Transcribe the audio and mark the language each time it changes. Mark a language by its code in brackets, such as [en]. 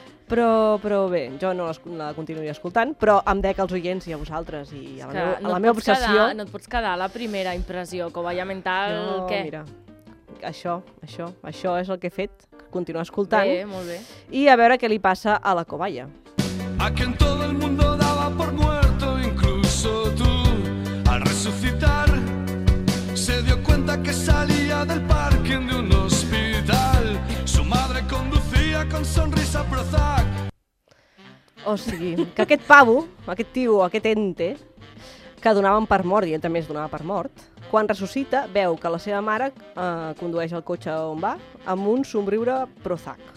[ca] Però bé, jo no la continuaria escoltant, però em dec als oients i a vosaltres i a la meva obsessió. No et pots quedar la primera impressió, Cobaya Mental, què? Això és el que he fet, continuar escoltant. Bé, molt bé. I a veure què li passa a la cobaia. [es] A quien todo el mundo daba por muerto, incluso tú, al resucitar, se dio cuenta que salía del parking de un hospital. Su madre conducía con sonrisa Prozac. [ca] O sigui, que aquest pavo, aquest tio, aquest ente, que donaven per mort, i ell també es donava per mort, quan ressuscita, veu que la seva mare condueix el cotxe on va amb un somriure Prozac.